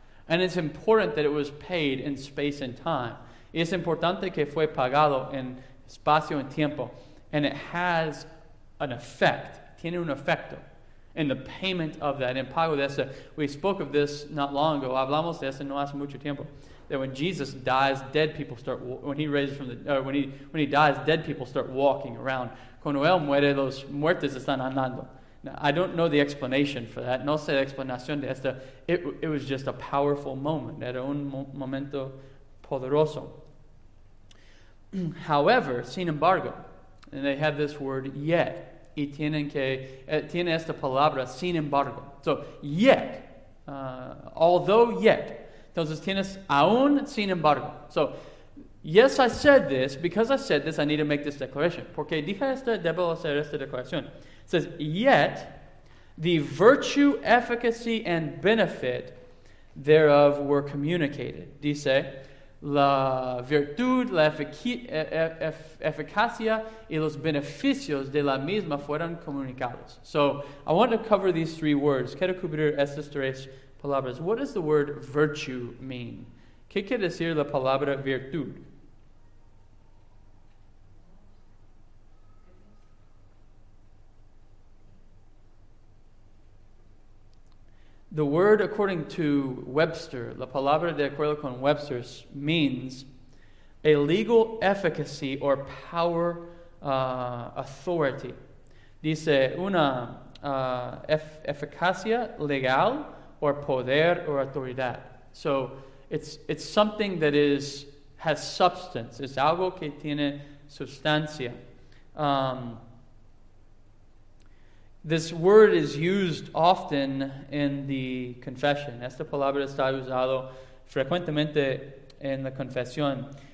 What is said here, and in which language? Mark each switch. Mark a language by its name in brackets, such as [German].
[English] And it's important that it was paid in space and time. [Spanish] Es importante que fue pagado en espacio y tiempo. [English] And it has an effect. [Spanish] Tiene un efecto. [English] In the payment of that. [Spanish] En pago de eso. [English] We spoke of this not long ago. [Spanish] Hablamos de eso no hace mucho tiempo. [English] That when Jesus dies, dead people start, when he raises from the, when he dies, dead people start walking around. [Spanish] Cuando él muere, los muertos están andando. [English] Now, I don't know the explanation for that. [Spanish] No sé la explanación de esta. [English] It was just a powerful moment. [Spanish] Era un momento poderoso. However, sin embargo, [English] and they have this word yet, [Spanish] y tienen que, tiene esta palabra, sin embargo. [English] So, yet, although yet, [Spanish] entonces, tienes aún sin embargo. [English] So, yes, I said this. Because I said this, I need to make this declaration. [Spanish] Porque dije esto, debo hacer esta declaración. [English] It says, yet the virtue, efficacy, and benefit thereof were communicated. [Spanish] Dice, la virtud, la eficacia, y los beneficios de la misma fueron comunicados. [English] So, I want to cover these three words. [Spanish] Quiero cubrir estas tres palabras. [English] What does the word virtue mean? [Spanish] ¿Qué quiere decir la palabra virtud? [English] The word, according to Webster, [Spanish] la palabra de acuerdo con Webster, [English] means a legal efficacy or power authority. [Spanish] Dice una eficacia legal or poder or autoridad. [English] So it's something that has substance. [Spanish] It's algo que tiene sustancia. [English] This word is used often in the confession. [Spanish] Esta palabra está usado frecuentemente en la confesión.